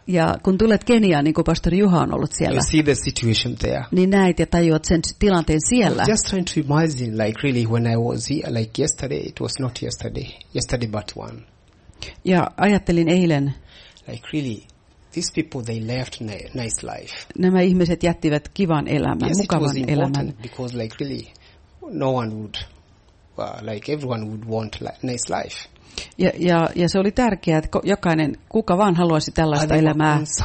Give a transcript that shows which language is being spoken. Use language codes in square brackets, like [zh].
[fi] Ja kun tulet Keniaan, niin kuin pastori Juha on ollut siellä. [en] You see the situation there. [fi] Niin näet ja tajuat sen tilanteen siellä. [en] I was just trying to imagine like really when I was here like yesterday, it was not yesterday. Yesterday but one. [fi] Ja ajattelin eilen. [en] Like really these people they left nice life. [fi] Nämä ihmiset jättivät kivan elämän, [en] yes, [fi] mukavan [en] it was [fi] elämän. [en] Because like really no one would like everyone would want nice life. [fi] Ja se oli tärkeää, että kuka vaan haluaisi tällaista elämää.